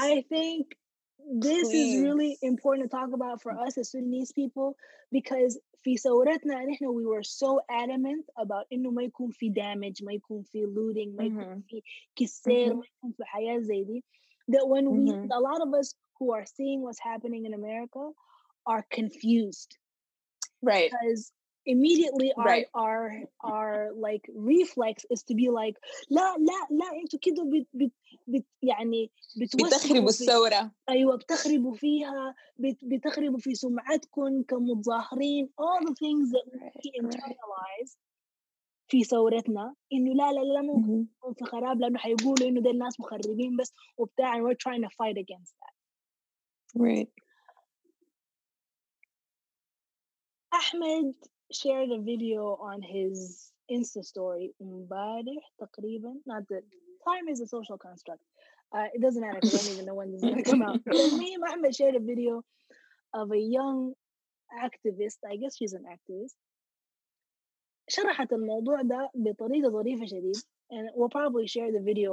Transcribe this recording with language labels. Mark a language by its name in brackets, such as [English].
[English] I think this please. Is really important to talk about for us as Sudanese people, because [Arabic] في ثورتنا نحن [English] we were so adamant about [Arabic] إنه ما يكون في [English] damage, [Arabic] ما يكون في looting, ما يكون في كسر, ما يكون في حياة زي دي, [English] that when we, a lot of us who are seeing what's happening in America are confused. Right. Because immediately our like reflex is to be like, [Arabic] لا لا لا انتو كده يعني بتخربوا الثورة, أيوة بتخربوا فيها, بتخربوا في سمعتكم كمتظاهرين, [English] all the things that we internalize [Arabic] في ثورتنا, إنه لا لا لا ممكن في خراب لأنه حيقولوا إنه ده الناس مخربين بس وبتاع, [English] and we're trying to fight against that. Right. Ahmed shared a video on his Insta story [Arabic] مبارح تقريبا, [English] not that time is a social construct, it doesn't matter, I don't even know when this is going to come out. Me and Ahmed shared a video of a young activist, I guess she's an activist, [Arabic] شرحت الموضوع ده بطريقة ظريفة شديد, [English] and we'll probably share the video